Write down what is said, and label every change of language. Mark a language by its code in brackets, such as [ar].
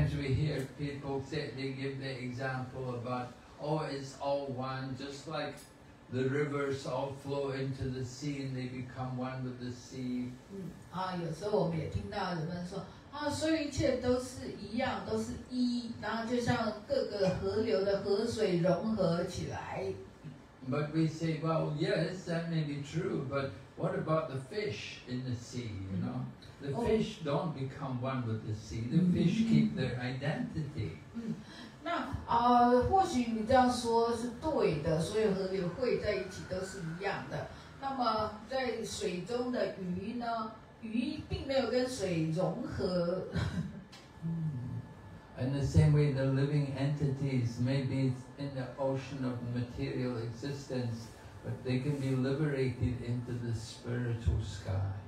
[en] sometimes we hear people say, they give the example about. Oh, it's all one, just like the rivers all flow into the sea and they become one with the sea. [zh] 有时候我们也听到人们说，所以一切都是一样，都是一，然后就像各个河流的河水融合起来。 [en] But we say, well, yes, that may be true, but what about the fish in the sea, you know? The fish don't become one with the sea. The fish keep their identity. [zh] 那或许你这样说是对的，所有河流汇在一起都是一样的。那么在水中的鱼呢？鱼并没有跟水融合。 [en] In the same way, the living entities may be in the ocean of material existence, but they can be liberated into the spiritual sky.